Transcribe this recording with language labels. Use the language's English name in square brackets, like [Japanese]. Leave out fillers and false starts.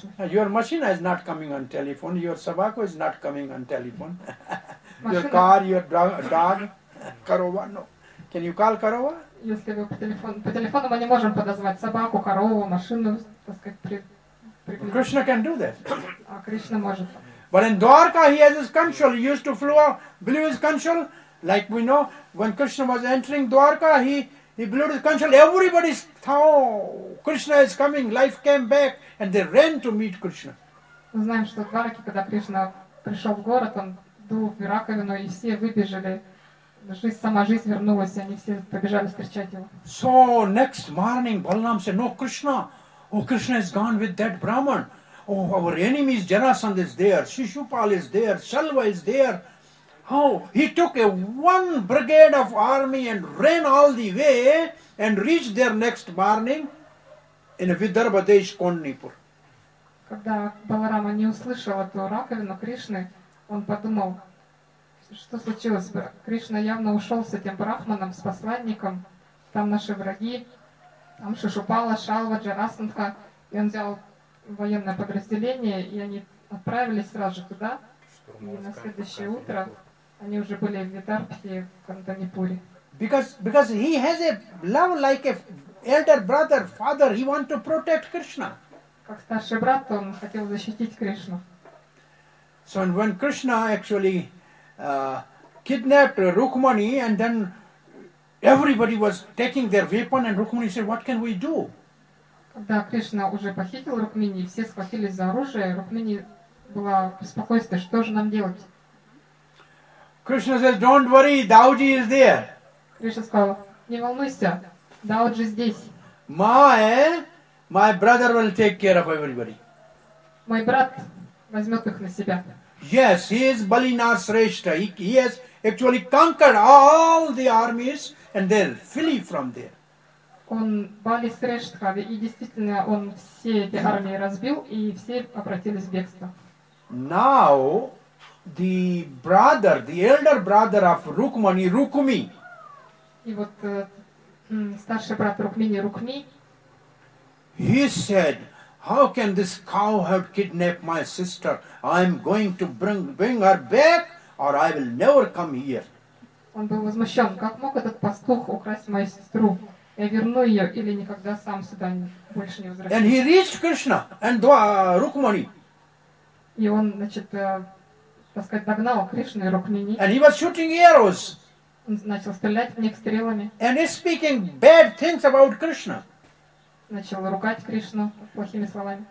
[English] Your machine is not coming on telephone, your sabako is not coming on telephone, your car, your dog, [Russian] корова, [English] no. Can you call корова? [Russian] Если вы по телефону мы не можем подозвать собаку, корову, машину, так сказать, [English] Krishna can do that. [Russian] А Кришна может. [English] But in Dwarka he has his conch shell, he used to blew his conch shell, like we know, when Krishna was entering Dwarka, He blew his conch shell, everybody thought, oh, Krishna is coming, life came back, and they ran to meet Krishna. [Russian] Мы знаем, что в Двараке, когда Кришна пришел в город, он дул в раковину, и все выбежали, сама жизнь вернулась, и они все побежали встречать его. [English] So, next morning, Balaram said, no, Krishna, oh, Krishna has gone with that Brahman. Oh, our enemy is Jarasandh is there, Shishupal is there, Salva is there. Oh, he took one brigade of army and ran all the way and reached there next morning in Vidarbha Desh, Kondnipur. [Russian] Когда Баларама не услышал эту раковину Кришны, он подумал, что случилось? Кришна явно ушел с этим брахманом, с посланником. Там наши враги, там Шишупала, Шалва, Джарасандха. И он взял военное подразделение, и они отправились сразу же туда. И на следующее утро... Они уже были в Витарпхе, в Кондонипуре. [English] Because he has a love like a elder brother, father, he wants to protect Krishna. [Russian] Как старший брат, он хотел защитить Кришну. [English] So when Krishna actually kidnapped Rukmani, and then everybody was taking their weapon, and Rukmani said, what can we do? [Russian] Когда Кришна уже похитил Рукмини, все схватились за оружие, Рукмини была в беспокойстве, что же нам делать? [English] Krishna says, don't worry, Dauji is there. [Russian] Krishna сказал, не волнуйся, Dauji здесь. [English] My brother will take care of everybody. [Russian] Мой брат возьмет их на себя. [English] Yes, he is Balinasreshta. He has actually conquered all the armies and they're flee from there. [Russian] Он Balisreshta, и действительно он все эти армии разбил, и все обратились в бегство. [English] Now, the brother, the elder brother of Rukmani, Rukmi. [Russian] И вот старший брат Рукмини, Рукми. [English] He said, how can this cow have kidnapped my sister? I'm going to bring her back or I will never come here. [Russian] Он был возмущен. Как мог этот пастух украсть мою сестру? Я верну ее или никогда сам сюда больше не возвращусь. [English] And he reached Krishna and Rukmani. [Russian] И он, значит, так сказать, догнал Кришну и Рукмини. [English] And he was shooting arrows. [Russian] Он начал стрелять в них стрелами. [English] And he's speaking bad things about Krishna. [Russian] Начал ругать Кришну плохими словами.